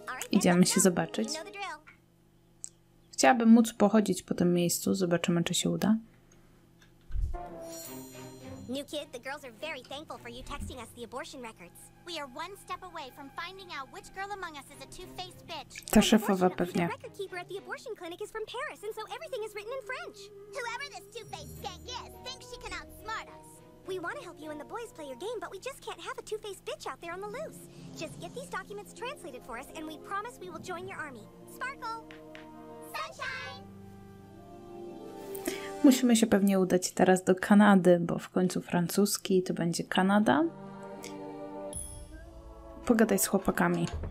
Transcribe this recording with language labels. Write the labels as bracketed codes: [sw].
[pl] Idziemy się zobaczyć. Chciałabym móc pochodzić po tym miejscu, zobaczymy czy się uda. [en] New kid, the girls are very thankful for you texting us the abortion records. We are one step away from finding out which girl among us is a two-faced bitch. [pl] Ta szefowa pewnie. [en] The record keeper at the abortion clinic is from Paris, and so everything is written in French. Whoever this two-faced skank is thinks she can outsmart us. We want to help you and the boys play your game, but we just can't have a two-faced bitch out there on the loose. Just get these documents translated for us, and we promise we will join your army. Sparkle! Sunshine! [pl] Musimy się pewnie udać teraz do Kanady, bo w końcu francuski to będzie Kanada. Pogadaj z chłopakami.